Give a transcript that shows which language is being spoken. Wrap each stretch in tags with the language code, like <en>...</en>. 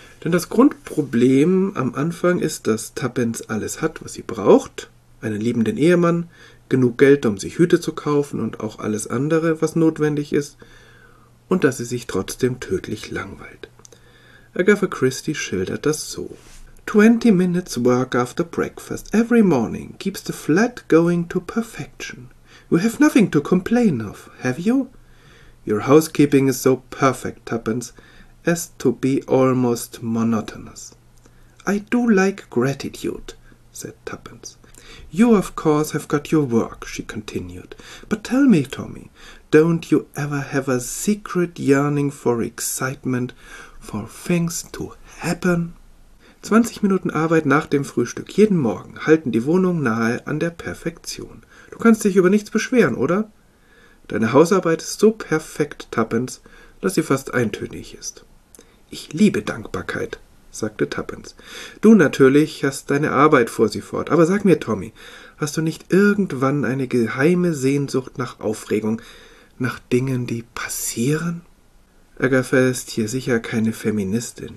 <de>Denn das Grundproblem am Anfang ist, dass Tuppence alles hat, was sie braucht, einen liebenden Ehemann, genug Geld, um sich Hüte zu kaufen und auch alles andere, was notwendig ist, und dass sie sich trotzdem tödlich langweilt. Agatha Christie schildert das so.</de> <en>20 minutes work after breakfast every morning keeps the flat going to perfection. You have nothing to complain of, have you? Your housekeeping is so perfect, Tuppence, as to be almost monotonous. I do like gratitude, said Tuppence. You, of course, have got your work, she continued. But tell me, Tommy, don't you ever have a secret yearning for excitement, for things to happen?</en> <de>20 Minuten Arbeit nach dem Frühstück jeden Morgen halten die Wohnung nahe an der Perfektion. Du kannst dich über nichts beschweren, oder? Deine Hausarbeit ist so perfekt, Tuppence, dass sie fast eintönig ist. »Ich liebe Dankbarkeit«, sagte Tuppence. »Du natürlich hast deine Arbeit vor sie fort, aber sag mir, Tommy, hast du nicht irgendwann eine geheime Sehnsucht nach Aufregung, nach Dingen, die passieren?« Agatha ist hier sicher keine Feministin.</de>